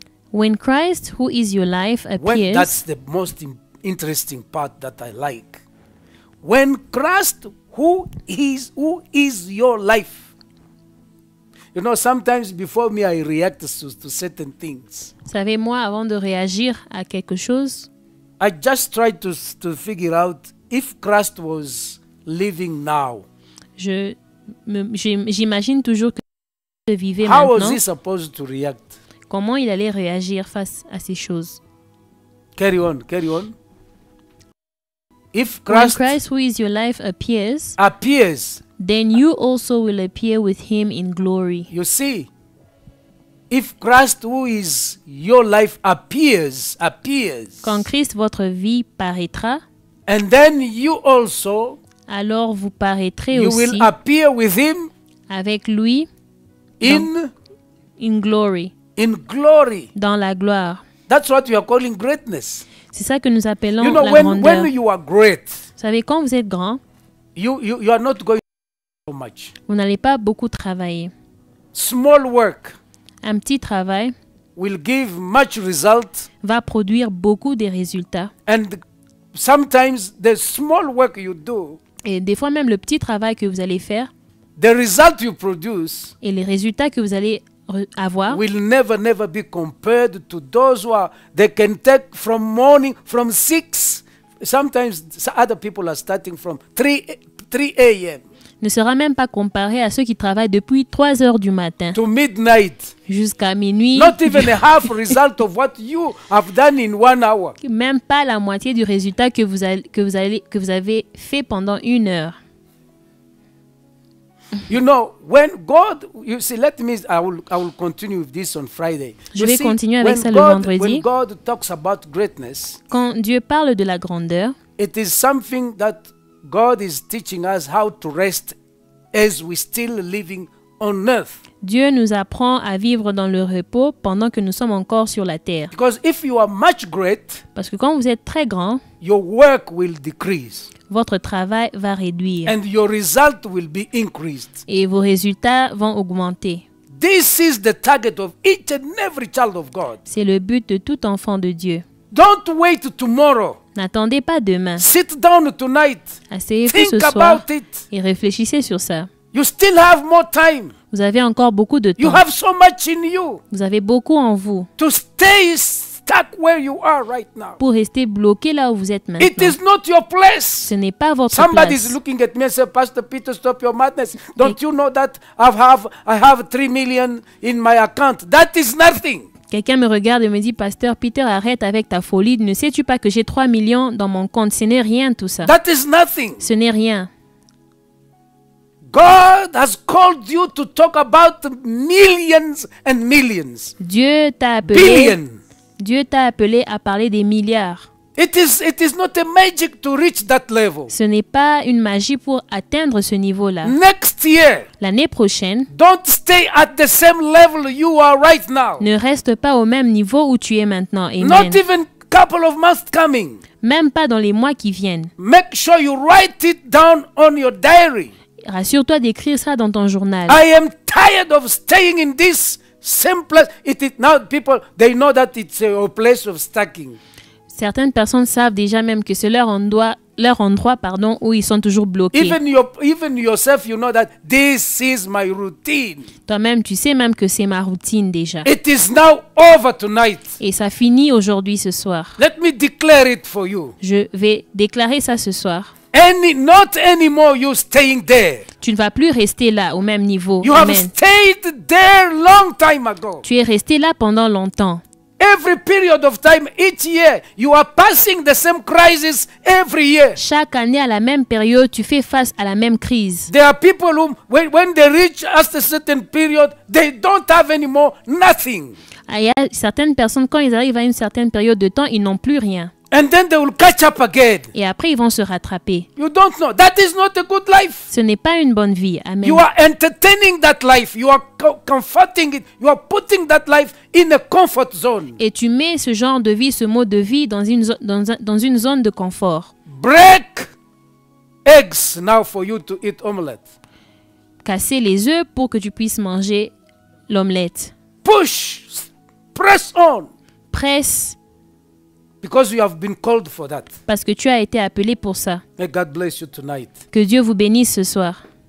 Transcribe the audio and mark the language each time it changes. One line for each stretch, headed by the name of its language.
English: When Christ, who is your life, appears. When, that's the most interesting part that I like. When Christ, who is your life. You know, sometimes before me, I react to certain things.
French: Savez-moi, avant de réagir à quelque chose,
English: I just try to figure out if Christ was living now.
French: J'imagine toujours que Christ vivait
English: How
French: maintenant.
English: How was he supposed to react?
French: Comment il allait réagir face à ces choses?
English: Carry on. If Christ, When Christ, who is your life, appears. Appears. Then you also will appear with him in glory. You see, if Christ, who is your life, appears.
French: Quand Christ, votre vie, paraîtra.
English: And then you also.
French: Alors vous paraîtrez
English: you
French: aussi.
English: You will appear with him.
French: Avec lui.
English: In glory. In glory.
French: Dans la gloire.
English: That's what we are calling greatness.
French: C'est ça que nous appelons
English: you know,
French: la
English: when,
French: grandeur.
English: When you are great.
French: Vous savez, quand vous êtes grand.
English: You are not going. Much.
French: Vous n'allez pas beaucoup travailler.
English: Small work.
French: Un petit travail.
English: Will give much result.
French: Va produire beaucoup de résultats.
English: And sometimes the small work you do.
French: Et des fois même le petit travail que vous allez faire.
English: The result you produce.
French: Et les résultats que vous allez avoir.
English: Will never be compared to those who are, they can take from morning from 6. Sometimes other people are starting from 3 a.m.
French: Ne sera même pas comparé à ceux qui travaillent depuis 3 heures du matin
English: to midnight.
French: Jusqu'à minuit.
English: Not even a half result of what you have done in 1 hour.
French: Même pas la moitié du résultat que vous avez fait pendant une heure.
English: You know when God, you see, let me, I will continue with this on Friday.
French: Je vais
English: see,
French: continuer avec ça
English: God,
French: le vendredi.
English: When God talks about greatness,
French: quand Dieu parle de la grandeur,
English: it is something that God is teaching us how to rest as we still living on earth.
French: Dieu nous apprend à vivre dans le repos pendant que nous sommes encore sur la terre.
English: Because if you are much great,
French: parce que quand vous êtes très grand,
English: your work will decrease.
French: Votre travail va réduire.
English: And your result will be increased.
French: Et vos résultats vont augmenter.
English: This is the target of each and every child of God.
French: C'est le but de tout enfant de Dieu.
English: Don't wait tomorrow.
French: N'attendez pas demain.
English: Sit down tonight.
French: Asseyez-vous ce soir et réfléchissez sur ça.
English: You still have more time.
French: Vous avez encore beaucoup de temps.
English: You have so much in you.
French: Vous avez beaucoup en vous.
English: To stay stuck where you are right now.
French: Pour rester bloqué là où vous êtes maintenant.
English: It is not your place.
French: Ce n'est pas votre
English: Somebody's
French: place.
English: Somebody is looking at me and saying, Pastor Peter, stop your madness. Don't you know that I have 3 million in my account? That is nothing.
French: Quelqu'un me regarde et me dit, Pasteur Peter, arrête avec ta folie. Ne sais-tu pas que j'ai 3 millions dans mon compte? Ce n'est rien tout ça.
English: That is nothing.
French: Ce n'est rien.
English: God has called you to talk about millions and millions.
French: Dieu t'a appelé. Billion. Dieu t'a appelé à parler des milliards.
English: It is not a magic to reach that level.
French: Ce n'est pas une magie pour atteindre ce niveau-là.
English: Next year.
French: L'année prochaine.
English: Don't stay at the same level you are right now.
French: Ne reste pas au même niveau où tu es maintenant.
English: Amen. Not even couple of months coming.
French: Même pas dans les mois qui viennent.
English: Make sure you write it down on your diary.
French: Rassure-toi d'écrire ça dans ton journal.
English: I am tired of staying in this same place. It is now people they know that it's a place of stacking.
French: Certaines personnes savent déjà même que c'est leur endroit, où ils sont toujours bloqués.
English: Even yourself, you know that this is my routine.
French: Toi-même, tu sais même que c'est ma routine déjà.
English: It is now over tonight.
French: Et ça finit aujourd'hui ce soir.
English: Let me declare it for you.
French: Je vais déclarer ça ce soir.
English: Not anymore you staying there.
French: Tu ne vas plus rester là au même niveau.
English: You Amen. Have stayed there long time ago.
French: Tu es resté là pendant longtemps.
English: Every period of time, each year, you are passing the same crisis every year.
French: Chaque année à la même période, tu fais face à la même crise.
English: There are people who, when they reach after a certain period, they don't have anymore nothing.
French: Il y a certaines personnes quand ils arrivent à une certaine période de temps, ils n'ont plus rien.
English: And then they will catch up again.
French: Et après ils vont se rattraper.
English: You don't know. That is not a good life.
French: Ce n'est pas une bonne vie. Amen.
English: You are entertaining that life. You are comforting it. You are putting that life in a comfort zone.
French: Et tu mets ce genre de vie, ce mode de vie dans une zone de confort.
English: Break eggs now for you to eat omelette.
French: Casser les œufs pour que tu puisses manger l'omelette.
English: Push. Press on.
French: Presse.
English: Because you have been called for that.
French: Parce que tu as été appelé pour ça.
English: May God bless you tonight.
French: Que Dieu vous bénisse ce soir.